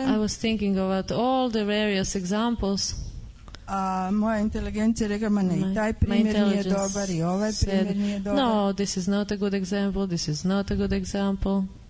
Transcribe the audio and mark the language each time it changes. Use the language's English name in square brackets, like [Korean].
[English] I was thinking about all the various examples. [Croatian] A moja inteligencija rekla, ma ne, taj primjer nije dobar i ovaj primjer nije dobar. [English] No, this is not a good example, this is not a good example.